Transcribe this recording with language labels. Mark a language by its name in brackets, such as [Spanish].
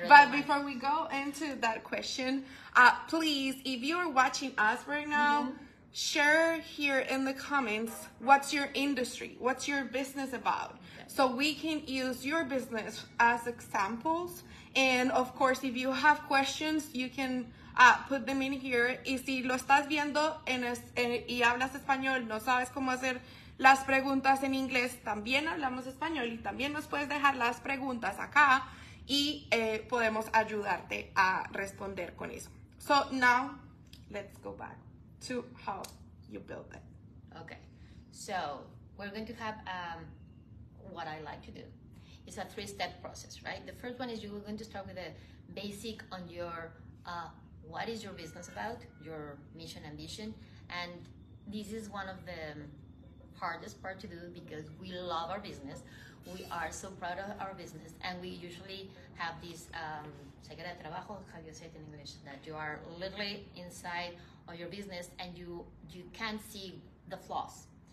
[English] Before we go into that question, please, if you are watching us right now, share here in the comments, what's your industry? What's your business about? Okay. So we can use your business as examples. And of course, if you have questions, you can put them in here. [Spanish] Y si lo estás viendo y hablas español, no sabes cómo hacer las preguntas en inglés, también hablamos español y también nos puedes dejar las preguntas acá y podemos ayudarte a responder con eso. [English] So now, let's go back to how you build it. Okay, so we're going to have what I like to do. It's a three-step process, right? The first one is you're going to start with a basic on your what is your business about, your mission and vision, and this is one of the hardest part to do because we love our business, we are so proud of our business, and we usually have this secret trabajo, how you say it in English, that you are literally inside of your business and you can't see the flaws.